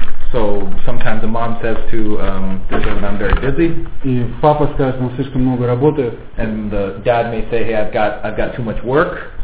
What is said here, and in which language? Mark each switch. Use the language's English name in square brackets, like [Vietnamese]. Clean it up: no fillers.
[English] So sometimes the mom says to children, I'm very busy. [Russian] И папа скажет, он слишком много работает. [English] And the dad may say, hey, I've got too much work.